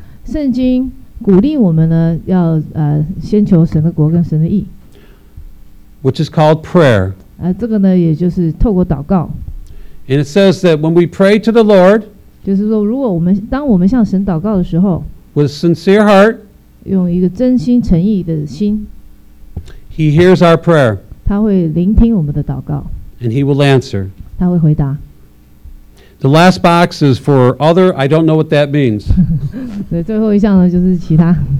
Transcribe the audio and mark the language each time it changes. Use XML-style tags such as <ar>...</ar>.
<zh>圣经鼓励我们呢要先求神的国跟神的义</zh> <en>which is called prayer,</en> <zh>这个呢也就是透过祷告。</zh> <en>And it says that when we pray to the Lord,</en> <zh>就是说如果我们当我们向神祷告的时候</zh> <en>with a sincere heart,</en> <zh>用一个真心诚意的心</zh> <en>He hears our prayer,</en> <zh>他会聆听我们的祷告</zh> <en>and he will answer,</en> <zh>他会回答</zh> <en>The last box is for other, I don't know what that means.</en> <zh>对，最后一项呢就是其他</zh>